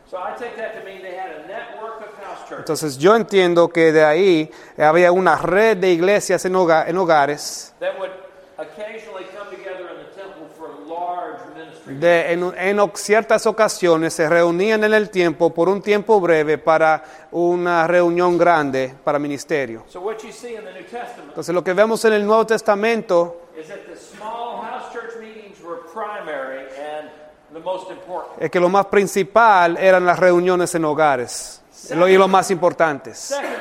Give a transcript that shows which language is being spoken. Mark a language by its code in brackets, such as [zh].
[en] So I take that to mean they had a network of house churches. [es] Entonces yo entiendo que de ahí había una red de iglesias en hogares [en] that would occasionally come together in the temple for large [es] En ciertas ocasiones se reunían en el tiempo por un tiempo breve para una reunión grande para ministerio. [en] So what you see in the New Testament, [es] entonces lo que vemos en el Nuevo Testamento [en] is that the small house church meetings were primary and the most important. [es] Es que lo más principal eran las reuniones en hogares y lo más importantes.